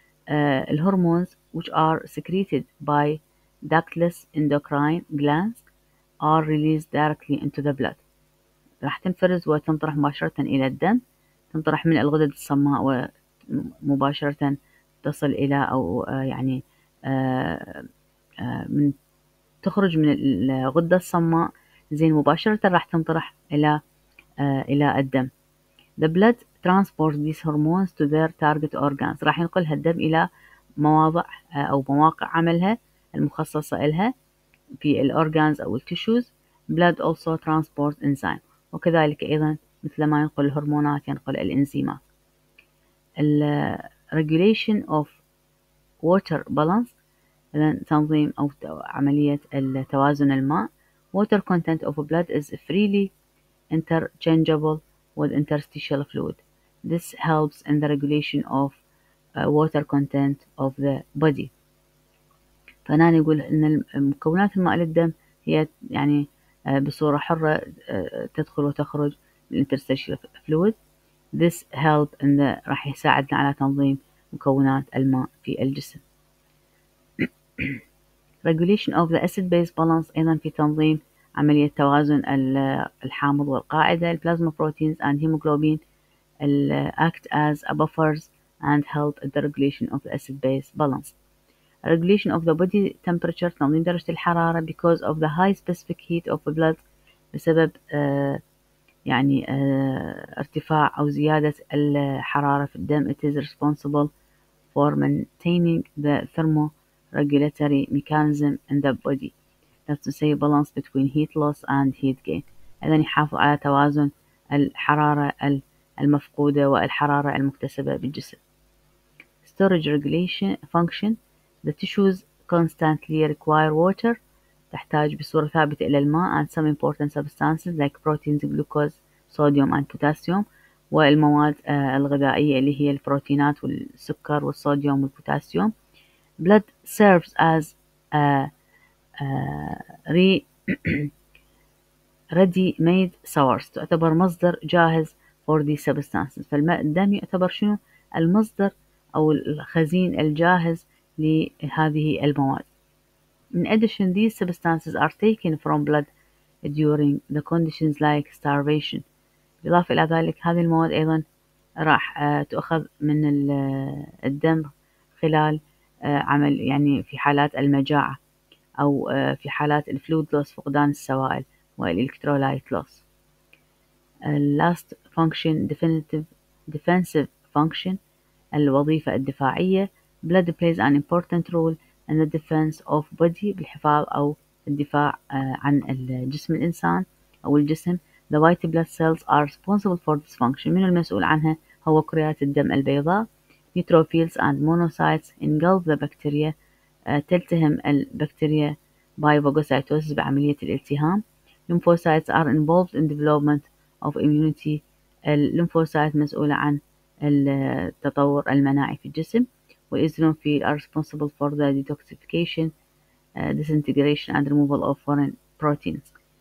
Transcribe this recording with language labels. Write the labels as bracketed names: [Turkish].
[English] الهرمونز which are secreted by ductless endocrine glands are released directly into the blood. [Arabic] راح تنفرز وتنطرح مباشرة إلى الدم، تنطرح من الغدد الصماء ومباشرة تصل إلى أو يعني من تخرج من الغدة الصماء زين مباشرة راح تنطرح إلى الدم. [English] The blood transports these hormones to their target organs. [Arabic] راح ينقلها الدم إلى مواضع أو مواقع عملها المخصصة إلها في الأورغانز أو التشوز. [English] Blood also transports enzymes. [Arabic] وكذلك أيضا مثل ما ينقل الهرمونات ينقل الإنزيمات. [English] Regulation of water balance. [Arabic] إذن تنظيم أو عملية التوازن الماء. [English] Water content of blood is freely interchangeable with interstitial fluid. This helps in the regulation of water content of the body. [Arabic] فأنا نقول إن المكونات الماء للدم هي يعني بصورة حرة تدخل وتخرج من interstitial fluid. [English] This helps in the [Arabic] راح يساعدنا على تنظيم مكونات الماء في الجسم. [English] Regulation of the acid-base balance [Arabic] أيضا في تنظيم عملية توازن الحامض والقاعدة. [English] البلازما proteins and hemoglobin act as a buffers and help the regulation of the acid-base balance. Regulation of the body temperature [Arabic] تنظيم درجة الحرارة [English] because of the high specific heat of the blood [Arabic] بسبب يعني ارتفاع أو زيادة الحرارة في الدم. [English] It is responsible for maintaining the thermo regulatory mechanism in the body. That's to say balance between heat loss and heat gain. [Arabic] إذن يحافظ على توازن الحرارة المفقودة والحرارة المكتسبة بالجسم. [English] Storage regulation function. The tissues constantly require water. [Arabic] تحتاج بصورة ثابتة إلى الماء. [English] And some important substances like proteins, glucose, sodium and potassium. [Arabic] والمواد الغذائية اللي هي البروتينات والسكر والصوديوم والبوتاسيوم. [English] Blood serves as a ready-made source. [Arabic] تعتبر مصدر جاهز [English] for these substances. [Arabic] فالدم يعتبر شنو؟ المصدر أو الخزين الجاهز لهذه المواد. [English] In addition, these substances are taken from blood during the conditions like starvation. [Arabic] بالإضافة إلى ذلك هذه المواد أيضا راح تأخذ من الدم خلال عمل يعني في حالات المجاعة أو في حالات الفلويد لوس فقدان السوائل والإلكترولايت لوس. [English] Last function definitive defensive function [Arabic] الوظيفة الدفاعية. [English] Blood plays an important role in the defense of body [Arabic] بالحفاظ أو الدفاع عن الجسم الإنسان أو الجسم. [English] The white blood cells are responsible for this function. [Arabic] من المسؤول عنها هو كريات الدم البيضاء. [English] Neutrophils and monocytes engulf the bacteria. [Arabic] تلتهم البكتيريا [English] by phagocytosis [Arabic] بعملية الالتهام. [English] Lymphocytes are involved in development of immunity. [Arabic] اللمفوسايت مسؤولة عن التطور المناعي في الجسم. [English] Eosinophils are responsible for the detoxification, disintegration and removal of foreign proteins.